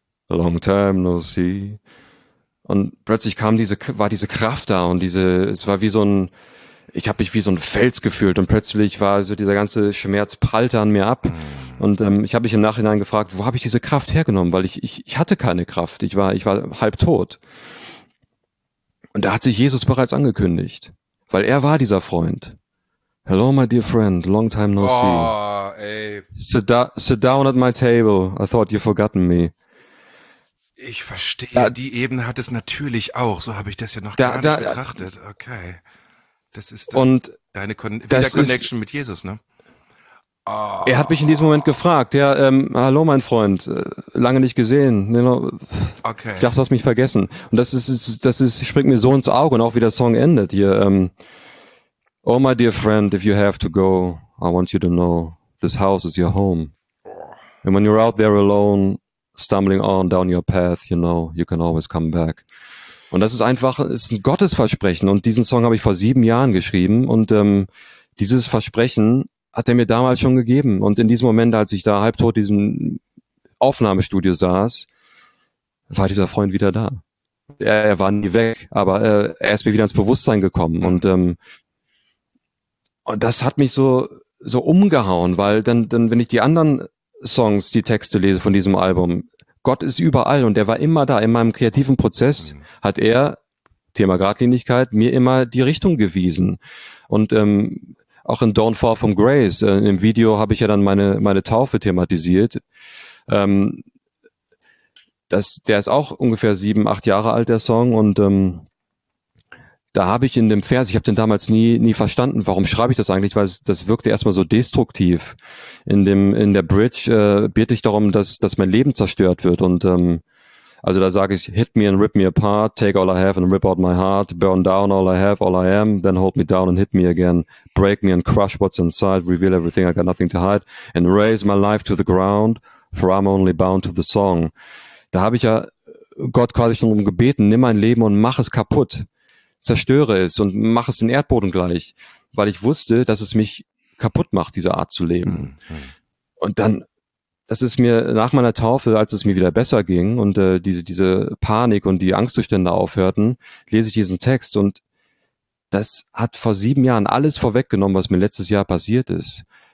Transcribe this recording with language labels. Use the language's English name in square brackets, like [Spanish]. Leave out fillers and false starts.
[English] A long time no see. [German] Und plötzlich war diese Kraft da und es war wie so ein, ich habe mich wie so ein Fels gefühlt und plötzlich war so dieser ganze Schmerz prallte an mir ab und ich habe mich im Nachhinein gefragt, wo habe ich diese Kraft hergenommen, weil ich hatte keine Kraft, ich war halb tot. Und da hat sich Jesus bereits angekündigt, weil er war dieser Freund. [English] Hello my dear friend, long time no see. Sit down at my table, I thought you'd forgotten me. [German] Ich verstehe, die Ebene hat es natürlich auch, so habe ich das ja noch gar nicht betrachtet. Okay. Das ist und deine Connection mit Jesus, ne? Oh. Er hat mich in diesem Moment gefragt, ja, hallo mein Freund, lange nicht gesehen. Okay. Ich dachte, du hast mich vergessen. Und das springt mir so ins Auge und auch wie der Song endet hier. [English] Oh my dear friend, if you have to go, I want you to know, this house is your home. And when you're out there alone, stumbling on down your path, you know, you can always come back. [German] Und das ist einfach, ist ein Gottesversprechen. Und diesen Song habe ich vor 7 Jahren geschrieben. Und dieses Versprechen hat er mir damals schon gegeben. Und in diesem Moment, als ich da halbtot in diesem Aufnahmestudio saß, war dieser Freund wieder da. Er war nie weg, aber er ist mir wieder ins Bewusstsein gekommen. Und das hat mich so umgehauen, weil dann wenn ich die anderen Songs, die Texte lese von diesem Album. Gott ist überall und er war immer da. In meinem kreativen Prozess hat er, Thema Gradlinigkeit, mir immer die Richtung gewiesen. Und auch in Don't Fall from Grace, im Video habe ich ja dann meine Taufe thematisiert. Der ist auch ungefähr 7-8 Jahre alt, der Song. Und da habe ich in dem Vers, ich habe den damals nie verstanden, warum schreibe ich das eigentlich, weil das wirkte erstmal so destruktiv. In der Bridge bete ich darum, dass mein Leben zerstört wird. Und also da sage ich, [English] hit me and rip me apart, take all I have and rip out my heart, burn down all I have, all I am, then hold me down and hit me again, break me and crush what's inside, reveal everything, I got nothing to hide, and raise my life to the ground, for I'm only bound to the song. [German] Da habe ich ja Gott quasi schon um gebeten, nimm mein Leben und mach es kaputt. Zerstöre es und mache es den Erdboden gleich, weil ich wusste, dass es mich kaputt macht, diese Art zu leben. Und dann Das ist mir nach meiner Taufe, als es mir wieder besser ging und diese Panik und die Angstzustände aufhörten, lese ich diesen Text und das hat vor 7 Jahren alles vorweggenommen, was mir letztes Jahr passiert ist.